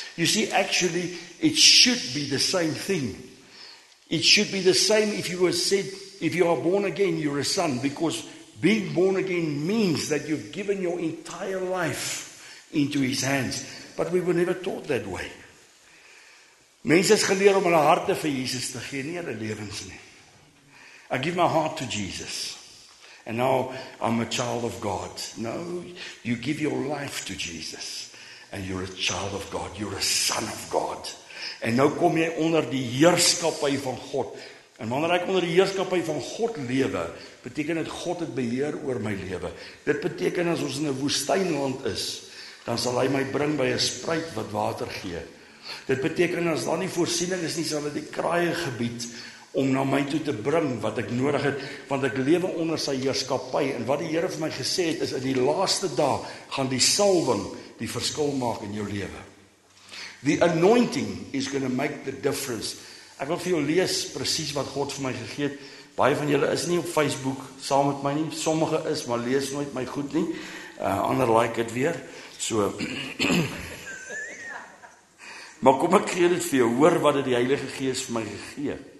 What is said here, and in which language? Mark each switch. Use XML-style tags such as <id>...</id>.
<en>You see, actually, it should be the same thing. It should be the same if you were said, if you are born again, you're a son. Because being born again means that you've given your entire life into His hands. But we were never taught that way.</en> <af>Mense is geleer om hulle harte vir Jesus te gee, nie hulle lewens nie.</af> <en>I give my heart to Jesus. And now I'm a child of God. No, you give your life to Jesus. And you're a child of God. You're a son of God.</en> <af>En nou kom jy onder die heerskappy van God. En wanneer ek onder die heerskappy van God lewe, beteken dit God het beheer oor my lewe. Dit beteken as ons in 'n woestynland is, dan sal hy my bring by 'n spruit wat water gee. Dit beteken as daar nie voorsiening is nie, sal hy die kraaie gebied om na my toe te bring wat ek nodig het, want ek lewe onder sy heerskappy. En wat die Here vir my gesê het, is in die laaste dae gaan die salwing die verskil maak in jou lewe.</af> <en>The anointing is going to make the difference.</en> <af>Ek wil vir jou lees presies wat God vir my gegee het. Baie van julle is nie op Facebook saam met my nie. Sommige is, maar lees nooit my goed nie. Ander like het weer. So, maar kom ek gee dit vir jou, hoor wat het die Heilige Gees vir my gegee.</af>